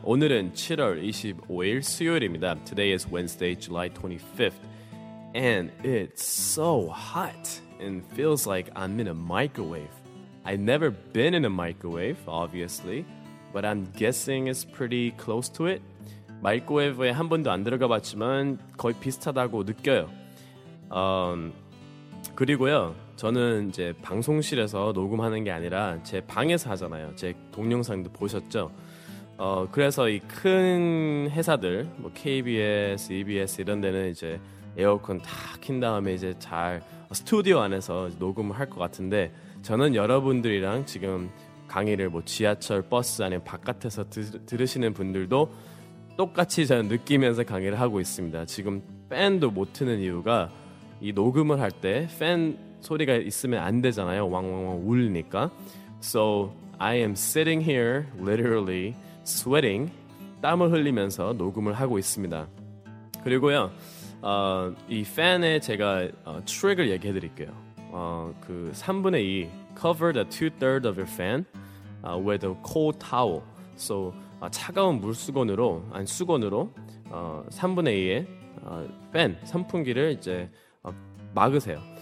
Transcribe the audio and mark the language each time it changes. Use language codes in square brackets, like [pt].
[ko] 오늘은 7월 25일 수요일입니다. [en] Today is Wednesday, July 25th. And it's so hot and feels like I'm in a microwave. I've never been in a microwave, obviously, but I'm guessing it's pretty close to it. [ko] 마이크로웨이브에 한 번도 안 들어가 봤지만 거의 비슷하다고 느껴요. 그리고요, 저는 이제 방송실에서 녹음하는 게 아니라 제 방에서 하잖아요. 제 동영상도 보셨죠? 그래서 이 큰 회사들, 뭐 KBS, EBS 이런 데는 이제 에어컨 다 킨 다음에 이제 잘 스튜디오 안에서 녹음을 할 것 같은데, 저는 여러분들이랑 지금 강의를 뭐 지하철, 버스 아니면 바깥에서 들으시는 분들도 똑같이 저는 느끼면서 강의를 하고 있습니다. 지금 팬도 못 트는 이유가 이 녹음을 할 때 팬 소리가 있으면 안 되잖아요. 왕왕왕 울리니까. [en] So I am sitting here literally sweating, [ko] 땀을 흘리면서 녹음을 하고 있습니다. 그리고요, 이 팬에 제가 트릭을 얘기해 드릴게요. 그 3분의 2 [en] cover the 2/3 of your fan with a cold towel. [ko] So 차가운 물 수건으로 아니 수건으로 3분의 2의 팬 선풍기를 이제 막으세요.